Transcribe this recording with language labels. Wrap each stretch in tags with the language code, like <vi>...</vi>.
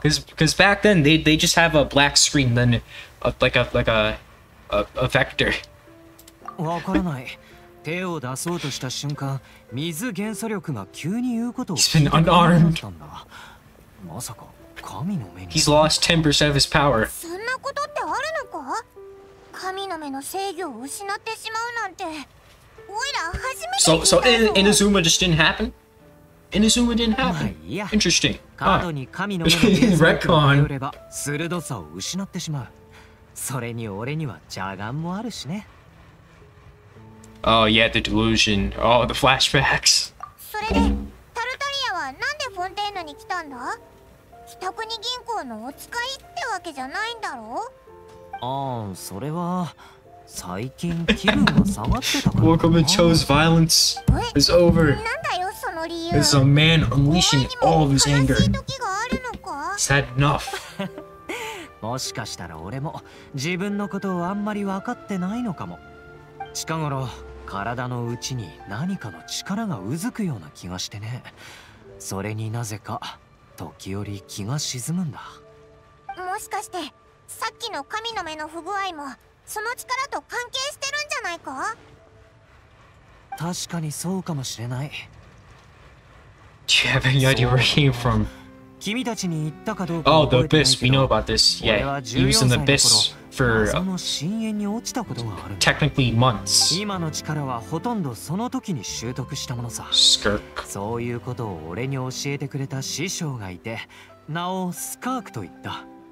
<en>Because back then, they just have a black screen, then a vector.</en> <ja>わからない。手を出そうとした瞬間、水元素力が急に言うことを聞いてくれなかったんだ。まさか神の目に。</ja> <en>He's lost 10% of his power.</en> <ja>そんなことってあるのか?神の目の制御を失ってしまうなんて、おいら初めて。</ja> <en>So Inazuma just didn't happen? Inazuma didn't happen. Interesting.</en> <ja>カードに神の目の制御を失れば、鋭さを失ってしまう。それに俺には邪眼もあるしね。</ja> <en>Oh yeah, the delusion. Oh, the flashbacks.</en> <ja>それでタルタリアはなんでフォンテーヌに来たんだ？北国銀行のお使いってわけじゃないんだろう？ああ、それは最近気分が下がってたから。</ja> <en>Welcome to chose violence. It's over.</en> <ja>なんだよその理由。</ja> <en>It's a man unleashing all of his anger.</en> <ja>悲しい時があるのか。</ja> <en>Sad enough.</en> <ja>もしかしたら俺も自分のことをあんまり分かってないのかも。近頃体の内に何かの力がうずくような気がしてね。それになぜか時折気が沈むんだ。もしかして。さっきの神の目の不具合もその力と関係してるんじゃないか？確かにそうかもしれない。</ja> <en>Do you have any idea where he came from?</en> <ja>君たちに言ったかどうか覚えてないけど。</ja> <en>Oh, the abyss. We know about this. Yeah, he was in the abyss for</en> <ja>その深淵に落ちたことがある。</ja> <en>Technically months.</en> <ja>今の力はほとんどその時に習得したものさ。</ja> <en>Skirk.</en> <ja>そういうことを俺に教えてくれた師匠がいて、名をスカークと言った。</ja>